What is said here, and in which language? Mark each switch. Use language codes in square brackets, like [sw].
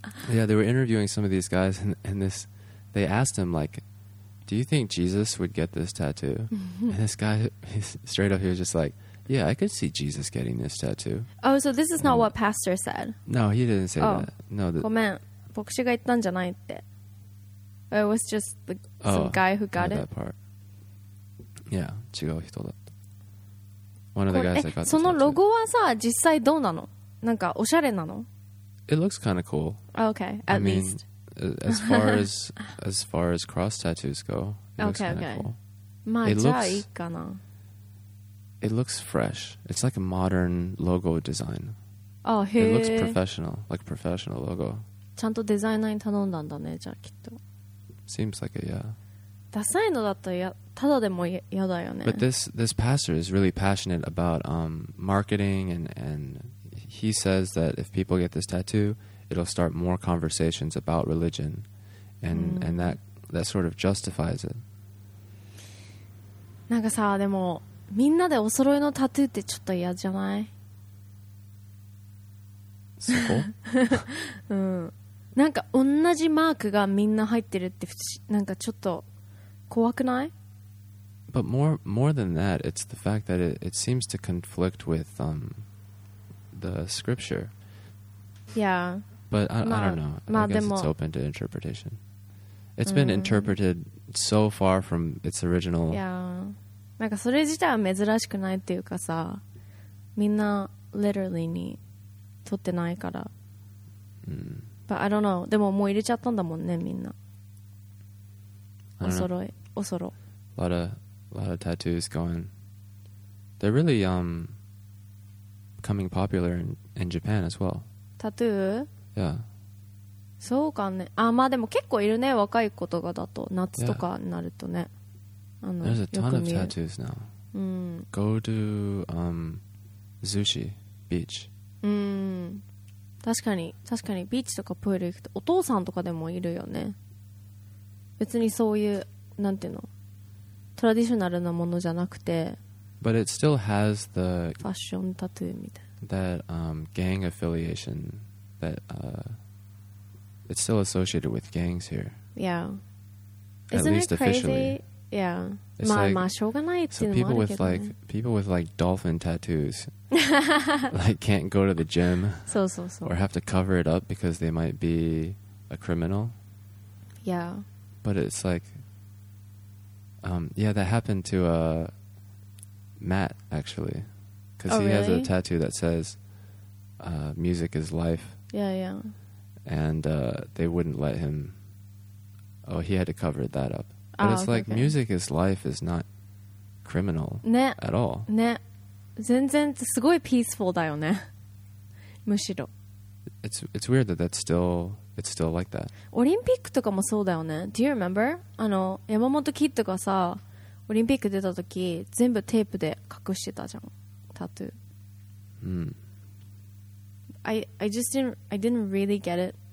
[en] yeah, they were interviewing some of these guys and this... They asked him, like... Do you think Jesus would get this tattoo? And this guy, straight up, he was just like, yeah, I could see Jesus getting this tattoo. Oh, so this is not what pastor said. No, he didn't say that. No, [ja] ごめん。牧師が言ったんじゃないって。 [en] It was just some guy who got it. That part. Yeah, [ja] 違う人だった。 [en] One of the guys that got [ja] そのロゴはさ、実際どうなの? なんかおしゃれなの? [en] It looks kind of cool. Okay, at least. As far as cross tattoos go, it looks kind of cool. [ja] まあ、 [en] it looks fresh. It's like a modern logo design. Oh, hey. It looks professional, like a professional logo. [ja] ちゃんとデザイナーに頼んだんだね、じゃあきっと。 [en] Seems like it, yeah. [ja] ダサいのだったらただでも嫌だよね。 [en] But this pastor is really passionate about marketing and he says that if people get this tattoo... It'll start more conversations about religion, and that sort of justifies it. [ja] なんかさ、でもみんなでお揃いのタトゥーってちょっと嫌じゃない？そこ？うん。なんか同じマークがみんな入ってるってなんかちょっと怖くない [en] ？But more than that, it's the fact that it seems to conflict with the scripture. Yeah. But I don't know. I guess it's open to interpretation. It's been interpreted so far from its original. Yeah. [ja] なんかそれ自体は珍しくないっていうかさ、みんな literally に取ってないから。 [en] But I don't know. [ja] でももう入れちゃったんだもんね、みんな。おそろい、おそろ。 [en] A lot of tattoos going. They're really becoming popular in Japan as well. Tattoo? Yeah. [ja] そうかね。あ、まあでも結構いるね、若い子とかだと夏とかになるとね。 [en] あの、There's a ton of tattoos now. Go to Zushi Beach. [ja] 確かに確かにビーチとかプール行くとお父さんとかでもいるよね。別にそういうなんていうの、トラディショナルなものじゃなくて。 [en] But it still has the [ja] ファッションタトゥーみたいな。 [en] That gang affiliation. That it's still associated with gangs here. Yeah. At least officially. Yeah. [ja] まあしょうがないっていうのもあるけどね。 [en] People with like dolphin tattoos like can't go to the gym. [ja] そうそうそう。 [en] Or have to cover it up because they might be a criminal. Yeah. But it's like, yeah, that happened to Matt, actually. Because oh, he really? Has a tattoo that says, music is life. Yeah, yeah. And they wouldn't let him. Oh, he had to cover that up. But ah, it's okay, like, okay. Music is life is not criminal at all. [ja] ね。全然すごい peaceful だよね。むしろ。 [en] It's weird that that's still, it's still like that. [ja] オリンピックとかもそうだよね。 [en] Do you remember? [ja] あの、山本キッドがさ、オリンピック出た時、全部テープで隠してたじゃん。タトゥー。うん。 [en] I just didn't, I didn't really get it.